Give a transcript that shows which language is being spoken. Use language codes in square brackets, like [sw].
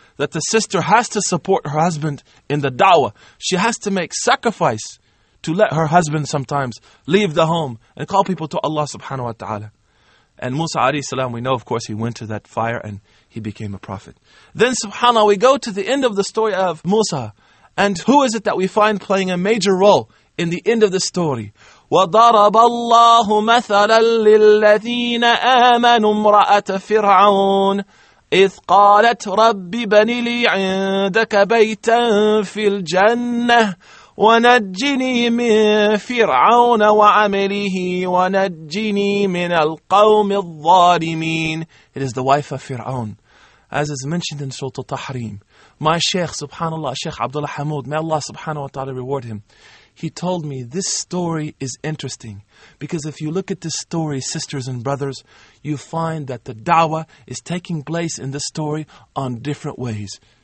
[en] That the sister has to support her husband in the da'wah. She has to make sacrifice to let her husband sometimes leave the home and call people to Allah subhanahu wa ta'ala. And Musa alayhi salam, we know, of course, he went to that fire and he became a prophet. Then, subhanallah, we go to the end of the story of Musa. And who is it that we find playing a major role in the end of the story? [ar] وَضَرَبَ اللَّهُ مَثَلًا لِلَّذِينَ آمَنُوا امْرَأَةَ فِرْعَوْنَ إِذْ قَالَتْ رَبِّ بَنِي لِي عِنْدَكَ بَيْتًا فِي الْجَنَّةِ وَنَجِّنِي مِنْ فِرْعَوْنَ وَعَمِلِهِ وَنَجِّنِي مِنَ الْقَوْمِ الظَّالِمِينَ. [en] It is the wife of Fir'aun. As is mentioned in Surah Tahrim, my Shaykh, subhanAllah, Shaykh Abdullah Hamoud, may Allah subhanahu wa ta'ala reward him. He told me, this story is interesting. Because if you look at this story, sisters and brothers, you find that the da'wah is taking place in this story on different ways.